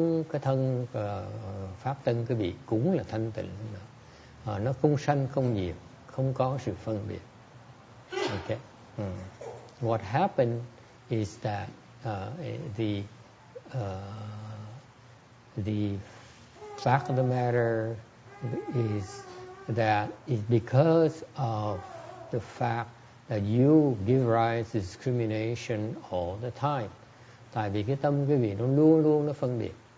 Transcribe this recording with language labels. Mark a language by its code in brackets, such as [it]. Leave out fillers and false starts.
[vi] Cái thân pháp tân quý vị cũng là thanh tịnh. Nó không sanh, không diệt, không có sự phân biệt. [en] Okay. What happened is that the fact of the matter is that it's because of the fact that you give rise to discrimination all the time. [vi] Tại vì cái tâm quý vị nó luôn luôn nó phân biệt.